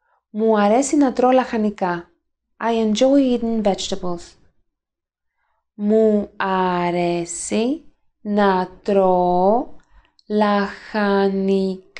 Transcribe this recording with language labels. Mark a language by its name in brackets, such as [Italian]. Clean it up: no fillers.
[Greek] Μου αρέσει να τρώω λαχανικά. [English] I enjoy eating vegetables. [Greek] Μου αρέσει να τρώω λαχανικά.